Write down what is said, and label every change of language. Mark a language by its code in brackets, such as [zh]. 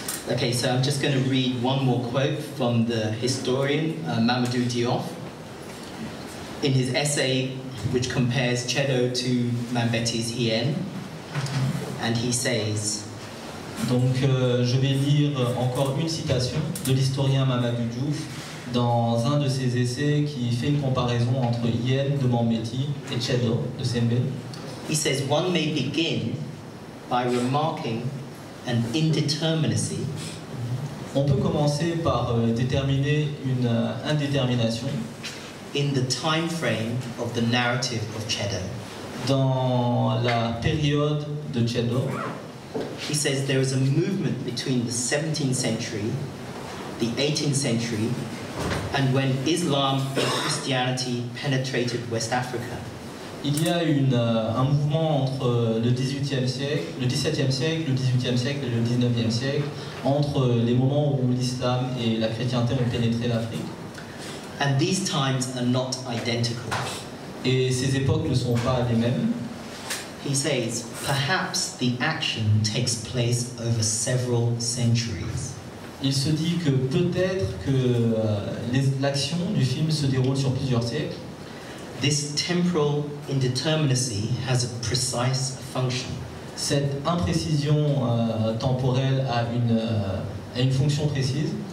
[en] Okay, so I'm just going to read one more quote from the historian Mamadou Diouf in his essay which compares Chedo to Mambeti's Hien, and he says... [fr] Donc, je vais lire encore une citation de l'historien Mamadou Diouf dans un de ses essais qui fait une comparaison entre Hien de Mambeti et Chedo de Sembène. [en] He says, one may begin by remarking an indeterminacy. [fr] On peut commencer par déterminer une indétermination [en] in the time frame of the narrative of Cheddar. [fr] Dans la période de Cheddar, [en] he says there is a movement between the 17th century, the 18th century, and when Islam and Christianity penetrated West Africa. [fr] Il y a un mouvement entre le 18e siècle, le 17e siècle, le 18e siècle et le 19e siècle, entre les moments où l'islam et la chrétienté ont pénétré l'Afrique. [en] And these times are not identical. [fr] Et ces époques ne sont pas les mêmes. [en] He says, perhaps the action takes place over several centuries. [fr] Il se dit que peut-être que l'action du film se déroule sur plusieurs siècles. [en] This temporal indeterminacy has a precise function. [fr] Cette imprécision temporelle a une fonction précise.